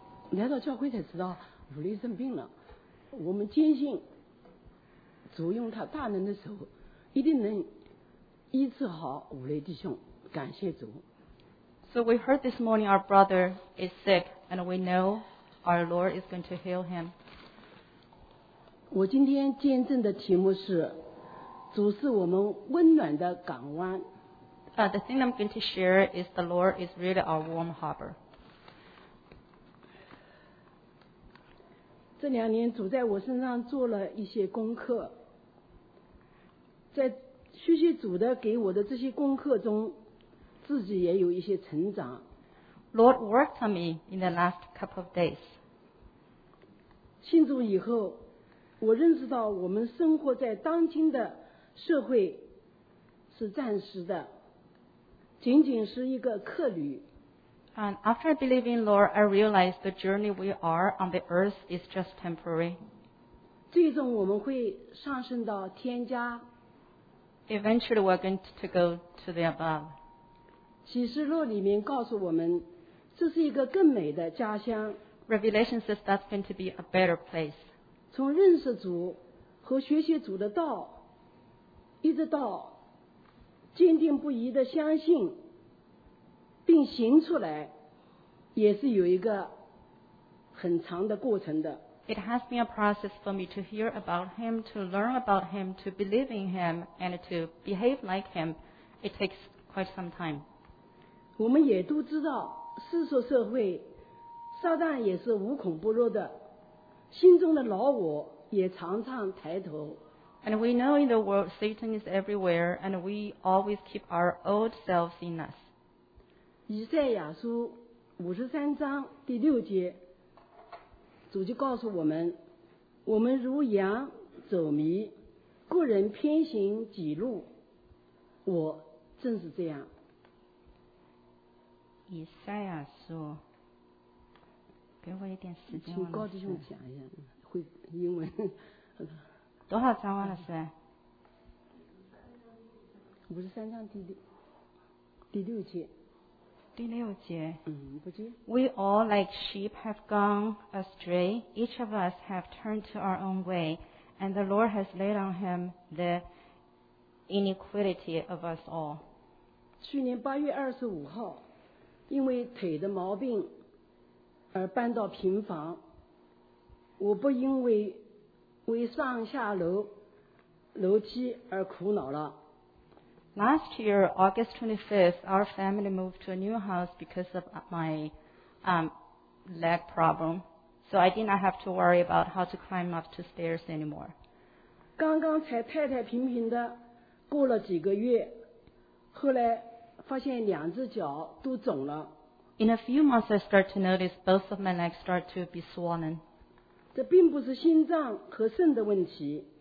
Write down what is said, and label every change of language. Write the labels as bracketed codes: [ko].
[zh] 来到教会才知道乳糜生病了。我们坚信主用他大能的手一定能医治好五类弟兄，感谢主。 [en] So we heard this morning our brother is sick and we know our Lord is going to heal him. [zh] 我今天见证的题目是主是我们温暖的港湾。 [en] The thing I'm going to share is the Lord is really our warm harbor. [zh] 这两年主在我身上做了一些功课，在谢谢主的给我的这些功课中，自己也有一些成长。 [en] Lord worked on me in the last couple of days. [zh] 信主以后，我认识到我们生活在当今的社会是暂时的，仅仅是一个客旅。 [en] And after believing Lord, I realized the journey we are on the earth is just temporary. [zh] 最终我们会上升到天家。 [en] Eventually, we're going to go to the above. [zh] 启示录里面告诉我们，这是一个更美的家乡。 [en] Revelation says that's going to be a better place. [zh] 从认识主和学习主的道，一直到坚定不移的相信，并行出来，也是有一个很长的过程的。 [en] It has been a process for me to hear about him, to learn about him, to believe in him, and to behave like him. It takes quite some time. [zh] 我们也都知道，世俗社会，撒旦也是无孔不入的，心中的老我也常常抬头。 [en] And we know in the world Satan is everywhere, and we always keep our old selves in us. [zh] 以赛亚书五十三章第六节。主就告诉我们，我们如羊走迷，个人偏行己路。我正是这样。以赛亚书，给我一点时间。请高弟兄讲一下，会英文。多少章啊，老师？五十三章第六节。第六节，不接。 [en] We all like sheep have gone astray, each of us have turned to our own way, and the Lord has laid on him the iniquity of us all. [zh] 去年八月二十五号，因为腿的毛病而搬到平房，我不因为上下楼梯而苦恼了。 [en] Last year, August 25th, our family moved to a new house because of my leg problem. So I did not have to worry about how to climb up to stairs anymore. [zh] 刚刚才太太平平的过了几个月，后来发现两只脚都肿了。 [en] In a few months, I start to notice both of my legs start to be swollen. [zh] 这并不是心脏和肾的问题。